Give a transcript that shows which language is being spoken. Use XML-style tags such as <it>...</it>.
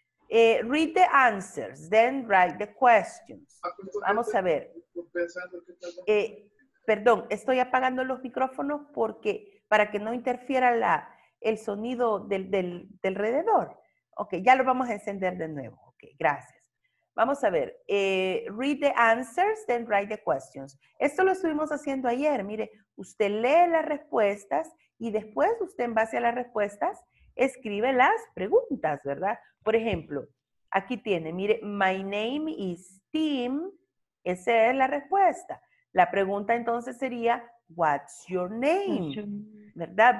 <en>Read the answers, then write the questions.</en> <es>Vamos a ver. Perdón, estoy apagando los micrófonos porque para que no interfiera el sonido del alrededor. Ok, ya lo vamos a encender de nuevo. Ok, gracias. Vamos a ver,</es> <en>read the answers, then write the questions.</en> <es>Esto lo estuvimos haciendo ayer, mire, usted lee las respuestas y después usted en base a las respuestas escribe las preguntas, ¿verdad? Por ejemplo, aquí tiene, mire,</es> <en>my name is Tim,</en> <es>esa es la respuesta. La pregunta entonces sería,</es> <en>what's your name?</en> <es>¿Verdad?</es>